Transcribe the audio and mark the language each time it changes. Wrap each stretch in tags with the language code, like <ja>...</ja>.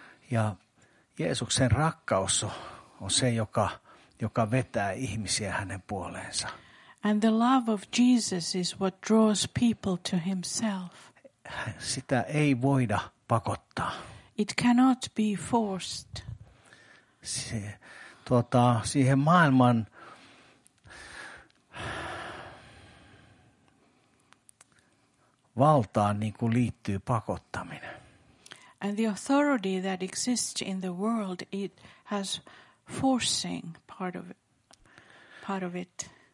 <fi>Ja Jeesuksen rakkaus on se, joka vetää ihmisiä hänen puoleensa.</fi> <en>And the love of Jesus is what draws people to himself.</en> <fi>Sitä ei voida pakottaa.</fi> <en>It cannot be forced.</en> <fi>Siihen maailman valtaan niin kuin liittyy pakottaminen.</fi> <en>And the authority that exists in the world, it has forcing part of it.</en>